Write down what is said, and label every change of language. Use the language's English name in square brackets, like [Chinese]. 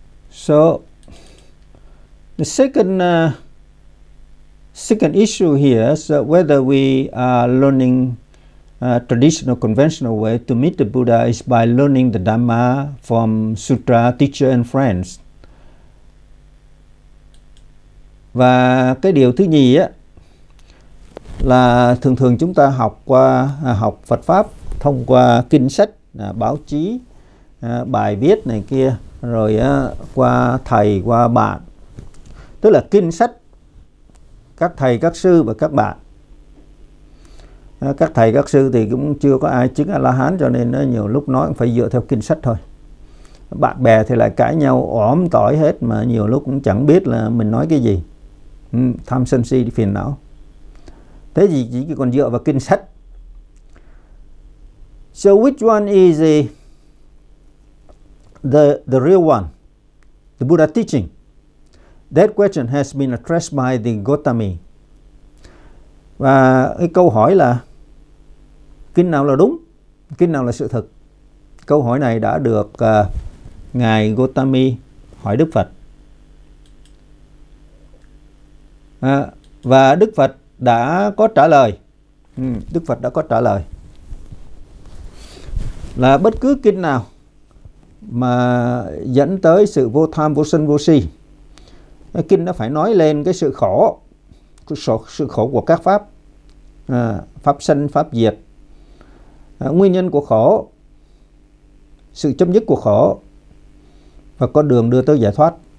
[English] So the second issue here is whether we are learning traditional conventional way to meet the Buddha is by learning the Dhamma from sutra, teacher and friends. [Vietnamese] Và cái điều thứ nhì á là thường thường chúng ta học qua học Phật pháp thông qua kinh sách, báo chí, bài viết này kia, rồi qua thầy, qua bạn. Tức là kinh sách, các thầy, các sư và các bạn. Các thầy, các sư thì cũng chưa có ai chứng A-la-hán, cho nên nhiều lúc nói cũng phải dựa theo kinh sách thôi. Bạn bè thì lại cãi nhau ỏm tỏi hết, mà nhiều lúc cũng chẳng biết là mình nói cái gì. Tham sân si phiền não. Thế thì chỉ còn dựa vào kinh sách. [English] So which one is the real one, the Buddha teaching? That question has been addressed by the Gotami. [Vietnamese] Và cái câu hỏi là kinh nào là đúng, kinh nào là sự thật? Câu hỏi này đã được Ngài Gotami hỏi Đức Phật. Và Đức Phật đã có trả lời. Đức Phật đã có trả lời là bất cứ kinh nào mà dẫn tới sự vô tham, vô sân, vô si, kinh nó phải nói lên cái sự khổ, sự khổ của các pháp, pháp sanh, pháp diệt, nguyên nhân của khổ, sự chấm dứt của khổ và con đường đưa tới giải thoát.